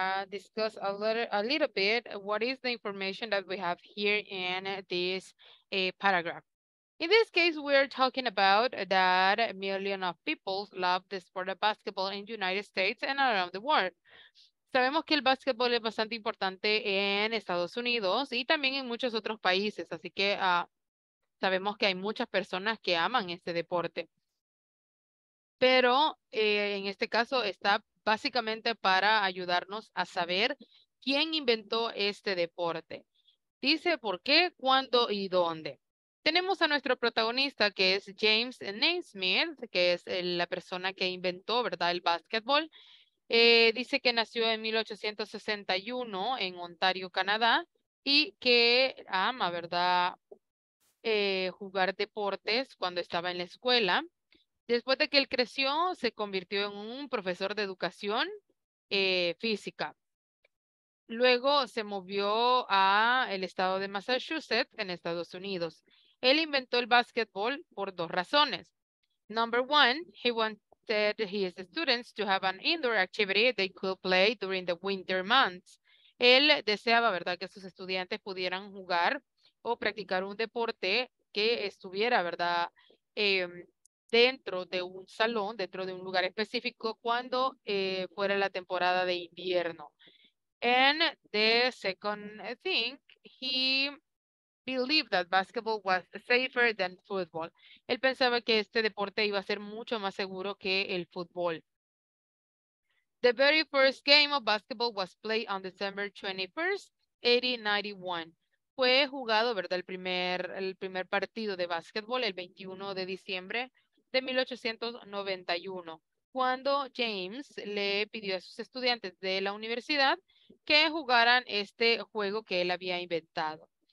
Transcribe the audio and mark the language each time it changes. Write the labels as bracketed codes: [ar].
[en] discuss a little bit what is the information that we have here in this paragraph. In this case, we're talking about that millions of people love the sport of basketball in the United States and around the world. [es] Sabemos que el básquetbol es bastante importante en Estados Unidos y también en muchos otros países, así que sabemos que hay muchas personas que aman este deporte. Pero en este caso está básicamente para ayudarnos a saber quién inventó este deporte. Dice por qué, cuándo y dónde. Tenemos a nuestro protagonista que es James Naismith, que es la persona que inventó, ¿verdad?, el básquetbol. Dice que nació en 1861 en Ontario, Canadá, y que ama, ¿verdad?, jugar deportes cuando estaba en la escuela. Después de que él creció, se convirtió en un profesor de educación física. Luego se movió a el estado de Massachusetts, en Estados Unidos. Él inventó el básquetbol por dos razones. [en] Number one, he wanted his students to have an indoor activity they could play during the winter months. [es] Él deseaba, ¿verdad?, que sus estudiantes pudieran jugar o practicar un deporte que estuviera, ¿verdad?, dentro de un salón, dentro de un lugar específico, cuando fuera la temporada de invierno. [en] And the second thing, he believed that basketball was safer than football. [es] Él pensaba que este deporte iba a ser mucho más seguro que el fútbol. [en] The very first game of basketball was played on December 21st, 1891. [es] Fue jugado, ¿verdad?, el primer partido de básquetbol el 21 de diciembre de 1891, cuando James le pidió a sus estudiantes de la universidad que jugaran este juego que él había inventado.